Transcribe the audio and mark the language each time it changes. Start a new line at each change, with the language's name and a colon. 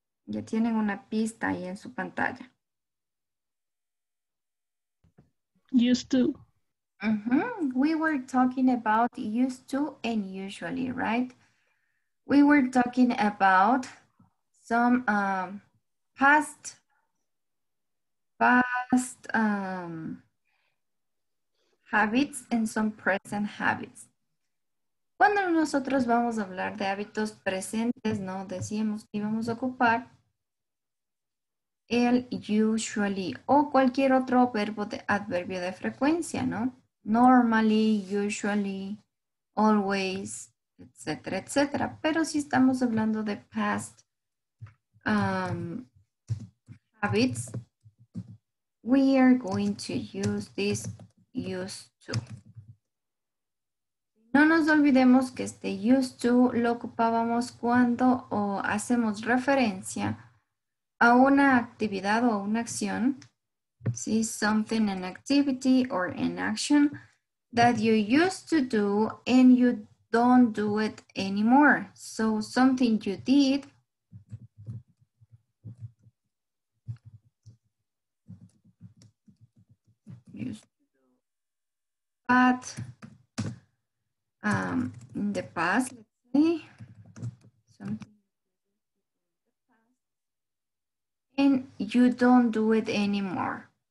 Spanish: Ya tienen una pista ahí en su pantalla.
English: Used to. We were talking about used to and usually, right? We were talking about some past habits and some present habits.
Spanish: Cuando nosotros vamos a hablar de hábitos presentes, ¿no? Decíamos que íbamos a ocupar el usually o cualquier otro verbo de adverbio de frecuencia, ¿no?
English: Normally, usually, always, etcétera, etcétera.
Spanish: Pero si estamos hablando de past habits,
English: we are going to use this used to.
Spanish: No nos olvidemos que este used to lo ocupábamos cuando o hacemos referencia a una actividad o una acción. ¿Sí?
English: Something, an activity or an action that you used to do and you don't do it anymore. So something you did but in the past, let's see, something in the past, and you don't do it anymore.